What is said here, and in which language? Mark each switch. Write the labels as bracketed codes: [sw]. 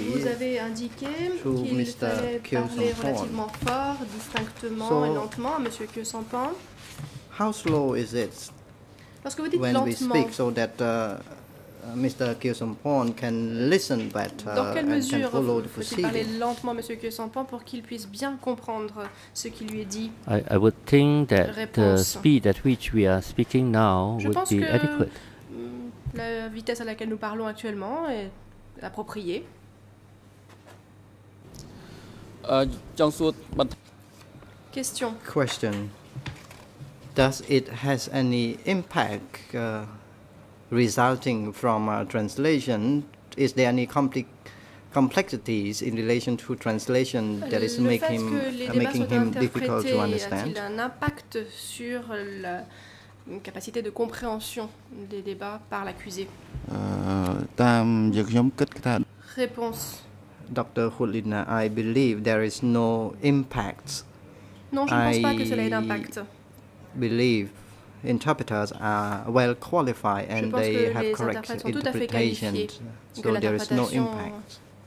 [fr] Vous avez indiqué qu'il fallait parler relativement fort, distinctement et lentement à Monsieur Khieu Samphan. [en] How slow is it? [fr] Parce que vous dites [en] when [fr] lentement. [en] We speak so that Mr. Khieu Samphan can listen better and can follow the proceedings. [fr] Dans quelle mesure faut-il parler lentement, Monsieur Khieu Samphan, pour qu'il puisse bien comprendre ce qui lui est dit? [en] I would think that the speed at which we are speaking now would be adequate. [fr] Je pense que la vitesse à laquelle nous parlons actuellement est appropriée. Question. [en] Question. Does it has any impact resulting from translation? Is there any complexities in relation to translation that is making him difficult to understand? [fr] A-t-il un impact sur la capacité de compréhension des débats par l'accusé? Réponse. [en] Dr. Hulina, I believe there is no impact. [fr] Non, je ne pense pas que cela ait d'impact. [en] Believe interpreters are well qualified and they have correct interpretation, so there is no impact.